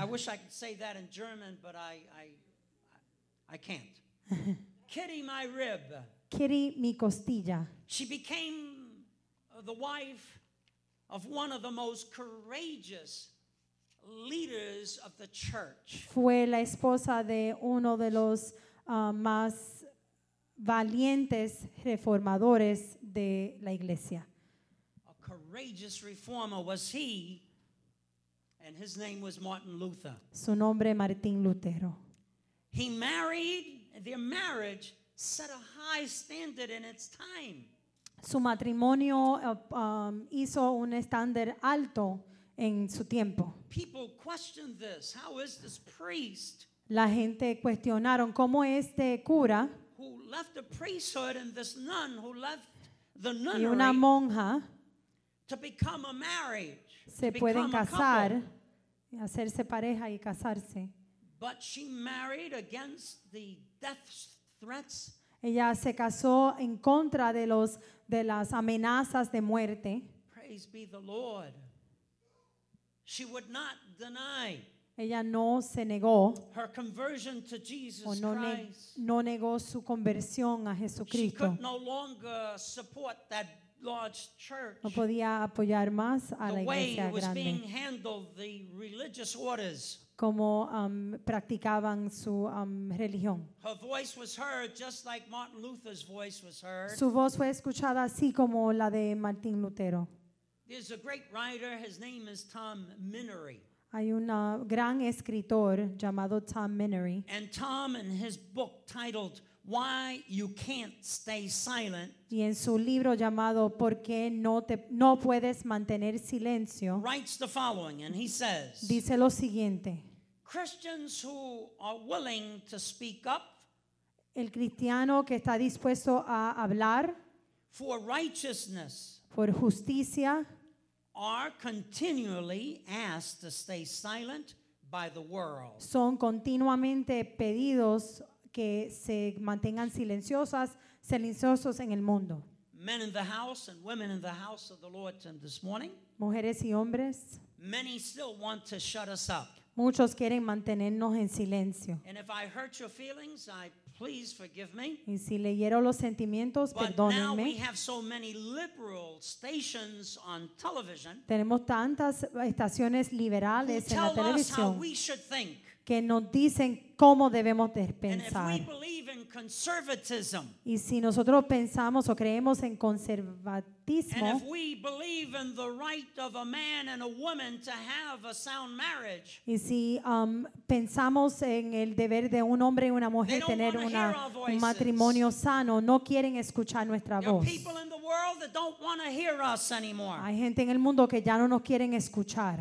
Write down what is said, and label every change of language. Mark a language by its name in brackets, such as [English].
[English] I wish I could say that in German, but I can't. Kitty, my rib. [Spanish] Kitty, mi costilla. [English] She became the wife of one of the most courageous leaders of the church. [Spanish] Fue la esposa de uno de los más valientes reformadores de la iglesia. [English] Courageous reformer was he, and his name was Martin Luther. [Spanish] Su nombre Martín Lutero. [English] He married. Their marriage set a high standard in its time. [Spanish] Su matrimonio hizo un estándar alto en su tiempo. [English] People questioned this. How is this priest? [Spanish] La gente cuestionaron cómo este cura, [English] who left the priesthood, and this nun who left the nunnery, [Spanish] y una monja, [English] to become a marriage, [Spanish] se pueden casar, hacerse pareja y casarse. [English] But she married against the death threats. [Spanish] Ella se casó en contra de los de las amenazas de muerte. [English] Praise be the Lord. She would not deny. [Spanish] Ella no se negó. [English] Her conversion to Jesus Christ. [Spanish] No negó su conversión a Jesucristo. [English] She could no longer support that large church. [Spanish] No podía apoyar más a la iglesia grande. [English] The way it was being handled, the religious orders. [Spanish] como practicaban su religión. [English] Her voice was heard just like Martin Luther's voice was heard. [Spanish] Su voz fue escuchada así como la de Martín Lutero. [English] There's a great writer, his name is Tom Minery. [Spanish] Hay un gran escritor llamado Tom Minery. [English] And Tom, in his book titled Why You Can't Stay Silent, [Spanish] y en su libro llamado ¿Por qué no puedes mantener silencio? [English] Writes the following, and he says, [Spanish] dice lo siguiente: [English] Christians who are willing to speak up, [Spanish] el cristiano que está dispuesto a hablar, [English] for righteousness, [Spanish] por justicia, [English] are continually asked to stay silent by the world. [Spanish] Son continuamente pedidos que se mantengan silenciosos en el mundo. [English] Men in the house and women in the house of the Lord this morning. [Spanish] Mujeres y hombres. [English] Many still want to shut us up. [Spanish] Muchos quieren mantenernos en silencio. [English] And if I hurt your feelings, I please forgive me. [Spanish] Y si le hiero los sentimientos, perdónenme. [English] But now we have so many liberal stations on television. [Spanish] Tenemos tantas estaciones liberales en la televisión. [English] Tell us how we should think. [Spanish] Que nos dicen cómo debemos de pensar. [English] And if we believe in conservatism, [Spanish] y si nosotros pensamos o creemos en conservatismo, [English] and if we believe in the right of a man and a woman to have a sound marriage, [Spanish] y si pensamos en el deber de un hombre y una mujer tener un matrimonio sano, no quieren escuchar nuestra voz. [English] There are people in the world that don't want to hear us anymore. [Spanish] Hay gente en el mundo que ya no nos quieren escuchar.